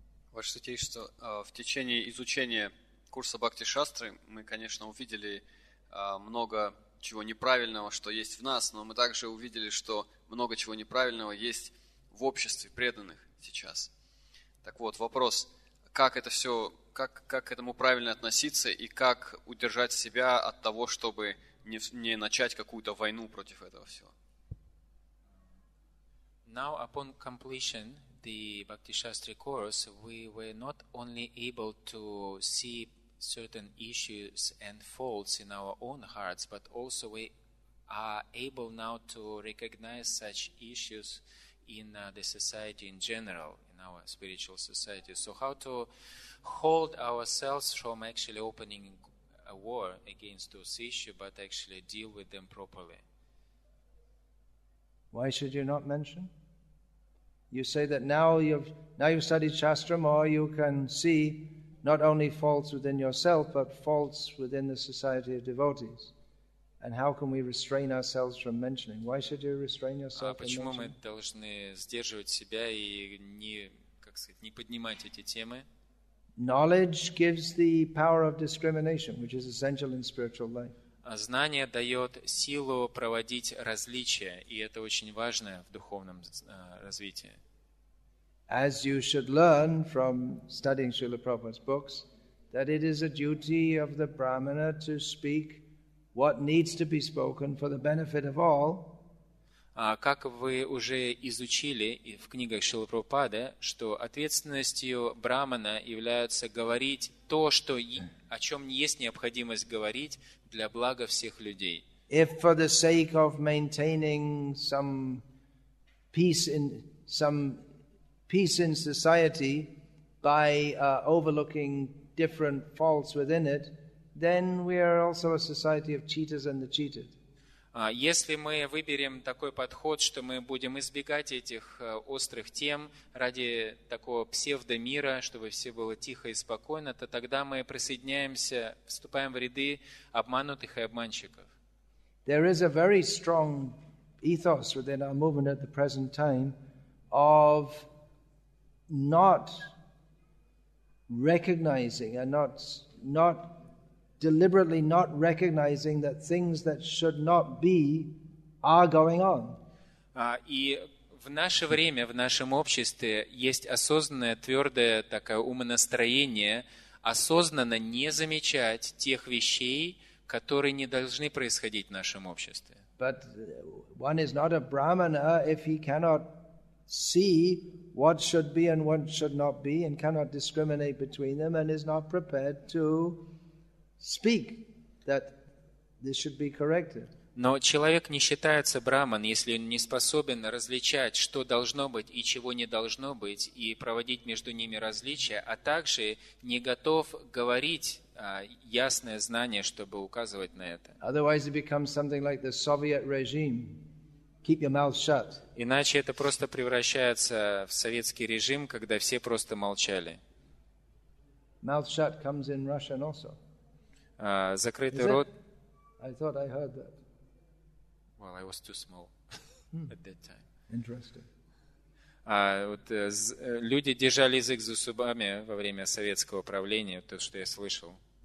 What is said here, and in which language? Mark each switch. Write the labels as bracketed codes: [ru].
[ru] Ваше святейшество, в течение изучения курса Бхакти-шастры мы, конечно, увидели много чего неправильного, что есть в нас, но мы также увидели, что много чего неправильного есть в обществе преданных сейчас. Так вот, вопрос, как это все, как к этому правильно относиться и как удержать себя от того, чтобы не начать какую-то войну против этого всего. [en] Now, upon completion the Bhakti Shastri course, we were not only able to see certain issues and faults in our own hearts, but also we are able now to recognize such issues in the society in general, in our spiritual society. So how to hold ourselves from actually opening a war against those issues, but actually deal with them properly? Why should you not mention? You say that now you've studied Shastra more, you can see not only faults within yourself, but faults within the society of devotees. And how can we restrain ourselves from mentioning? Why should you restrain yourself from mentioning? [ru] Почему мы должны сдерживать себя и не, как сказать, не поднимать эти темы? [en] Knowledge gives the power of discrimination, which is essential in spiritual life. [ru] Знание дает силу проводить различия, и это очень важно в духовном развитии. [en] As you should learn from studying Srila Prabhupada's books, that it is a duty of the brahmana to speak what needs to be spoken for the benefit of all. [ru] Как вы уже изучили в книгах Шрилы Прабхупады, что ответственностью брахмана является говорить то, что о чем есть необходимость говорить для блага всех людей. [en] If for the sake of maintaining some peace in society by overlooking different faults within it, then we are also a society of cheaters and the cheated. [ru] Если мы выберем такой подход, что мы будем избегать этих острых тем ради такого псевдомира, чтобы все было тихо и спокойно, то тогда мы присоединяемся, вступаем в ряды обманутых и обманщиков. [en] There is a very strong ethos within our movement at the present time of not recognizing and not deliberately not recognizing that things that should not be are going on. [ru] И в наше время, в нашем обществе есть осознанное, твердое такое умонастроение осознанно не замечать тех вещей, которые не должны происходить в нашем обществе. [en] But one is not a brahmana if he cannot see what should be and what should not be and cannot discriminate between them and is not prepared to speak that this should be corrected. [ru] Но человек не считается брахман, если он не способен различать, что должно быть и чего не должно быть, и проводить между ними различия, а также не готов говорить ясное знание, чтобы указывать на это. [en] Otherwise it becomes something like the Soviet regime. Keep your mouth shut. [ru] Иначе это просто превращается в советский режим, когда все просто молчали. [en] Mouth shut comes in Russian also. [ru] Закрытый рот. [en] I thought I heard that. Well, I was too small at that time. Interesting. [ru] Люди держали язык за зубами во время советского правления, то, что я слышал.